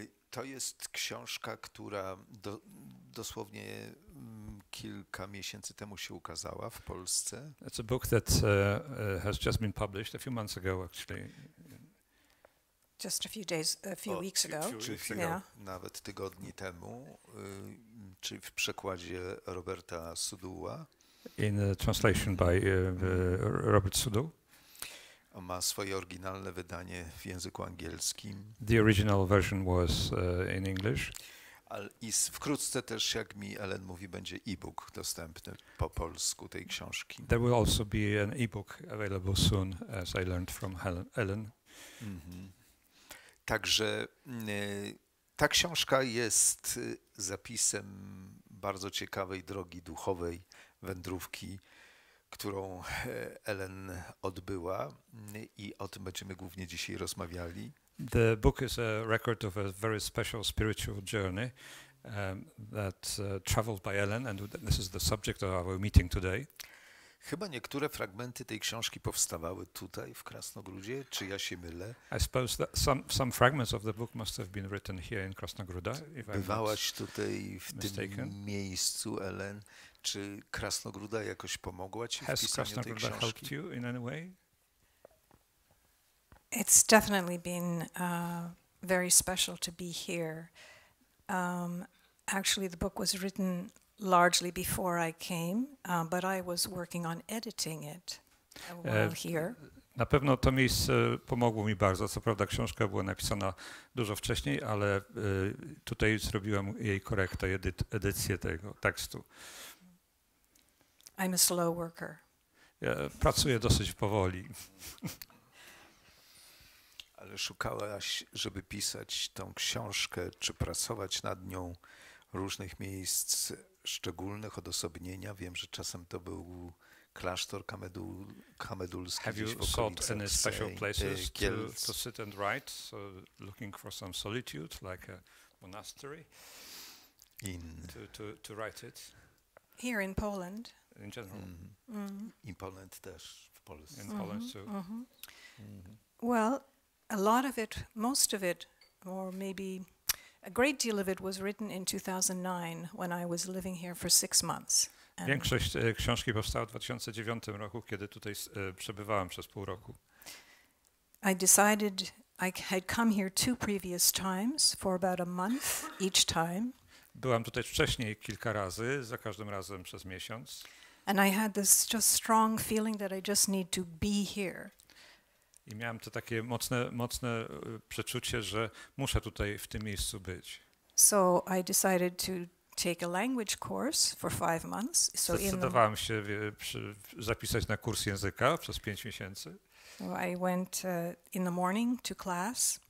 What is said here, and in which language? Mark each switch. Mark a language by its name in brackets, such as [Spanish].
[Polish] To jest książka, która dosłownie kilka miesięcy temu się ukazała w Polsce. [English] It's a book that has just been published a few months ago, actually. Just a few days, a few weeks ago. [Polish] Nawet tygodni temu, czyli w przekładzie Roberta Sudua. [English] In a translation by Robert Sudu. [Polish] On ma swoje oryginalne wydanie w języku angielskim. [English] The original version was in English. [Polish] I wkrótce też, jak mi Ellen mówi, będzie e-book dostępny po polsku tej książki. [English] There will also be an e-book available soon, as I learned from Ellen. Mm-hmm. [Polish] Także ta książka jest zapisem bardzo ciekawej drogi duchowej, wędrówki, którą Ellen odbyła, i o tym będziemy głównie dzisiaj rozmawiali. [English] The book is a record of a very special spiritual journey that traveled by Ellen, and this is the subject of our meeting today. [Polish] Chyba niektóre fragmenty tej książki powstawały tutaj w Krasnogródzie, czy ja się mylę? [English] I suppose that some fragments of the book must have been written here in Krasnogróda. [Polish] Bywałaś tutaj w tym miejscu, Ellen? Czy Krasnogróda jakoś pomogła ci w pisaniu tej książki? [English] Has helped you in any way? It's definitely been very special to be here. Actually, the book was written largely before I came, but I was working on editing it while here. [Polish] Na pewno to miejsce pomogło mi bardzo. Co prawda książka była napisana dużo wcześniej, ale tutaj zrobiłem jej korektę, edycję tego tekstu. [English] I'm a slow worker. [Polish] Ja pracuję dosyć powoli. Ale szukałaś, żeby pisać tą książkę, czy pracować nad nią, różnych miejsc szczególnych, odosobnienia. Wiem, że czasem to był klasztor kamedulski. [English] Have you sought any special places to sit and write, so looking for some solitude, like a monastery, to write it? Here in Poland. In general. Mm-hmm. [Polish] Mm-hmm. [English] In Poland [Polish] też, w Polsce. [English] In Poland too. Mm-hmm. Mm-hmm. Well, a lot of it, most of it, or maybe a great deal of it was written in 2009 when I was living here for 6 months. [Polish] Większość książki powstała w 2009 roku, kiedy tutaj przebywałem przez pół roku. [English] I decided I had come here two previous times for about a month each time. [Polish] Byłam tutaj wcześniej kilka razy, za każdym razem przez miesiąc. [English] And I had this just strong feeling that I just need to be here. [Polish] I miałem to takie mocne przeczucie, że muszę tutaj w tym miejscu być. [English] So I decided to take a language course for 5 months. [Polish] Zdecydowałem się zapisać na kurs języka przez 5 miesięcy. [English] I went in the morning to class.